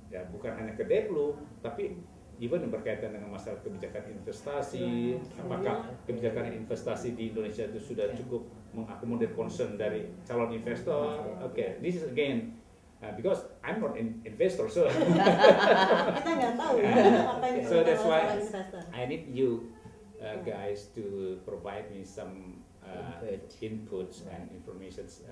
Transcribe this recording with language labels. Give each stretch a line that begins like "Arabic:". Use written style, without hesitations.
Indonesian: Ya, bukan hanya ke Deplu, tapi even berkaitan dengan masalah kebijakan investasi, apakah kebijakan investasi di Indonesia itu sudah cukup mengakomodir concern dari calon investor.
English: Okay, this is again because I'm not an investor, so
Indonesian: kita nggak tahu apa yang
English: so that's why I need you guys to provide me some inputs and information.